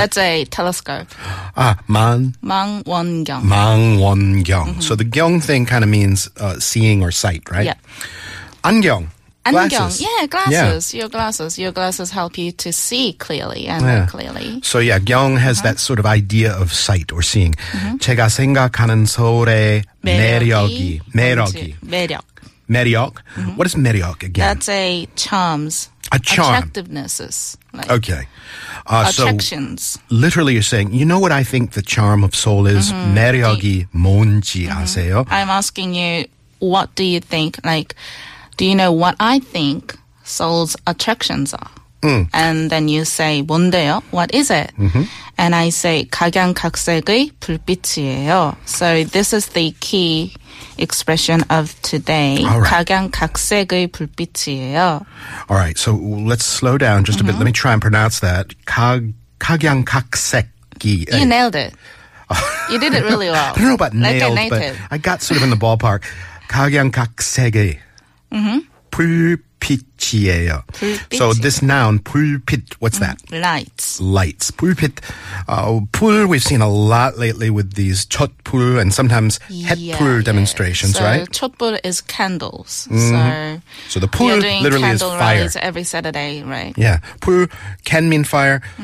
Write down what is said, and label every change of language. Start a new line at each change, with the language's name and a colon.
English: That's a telescope. Ah,
Korean: 망원경.
English: Mm-hmm. So the 경 thing kind of means seeing or sight, right? Yeah.
Korean: 안경.
English: Glasses. Your glasses help you to see clearly and clearly. So yeah, 경 has that sort of idea of sight or seeing.
Korean: 제가 생각하는 서울의 매력이. 매력이.
English: 매력. Mm-hmm. What is 매력 again? That's a charms. A charm. Attractivenesses. Like okay. Attractions. So literally you're saying, you know what I think the charm of Seoul is?
Korean: 매력이 뭔지 아세요?
English: I'm asking you, what do you think? Like, do you know what I think Seoul's attractions are? And then you say,
Korean: 뭔데요?
English: What is it? And I say,
Korean: 각양각색의 불빛이에요.
English: So this is the key expression of today. All right.
Korean: 각양각색의 불빛이에요.
English: All right. So let's slow down just a bit. Let me try and pronounce that.
Korean: 각양각색이.
English: You nailed it. You did it really well. I don't know about nailed, like a native. But I got sort of in the ballpark.
Korean: 각양각색의 불빛이에요.
English: So this noun, 불빛, what's that? Lights.
Korean: 불빛.
English: 불, we've seen a lot lately with these 촛불 and sometimes 햇불 demonstrations, so right? 촛불 is candles. So the 불 literally is fire. Candle rise every Saturday, right? Yeah. 불 can mean fire.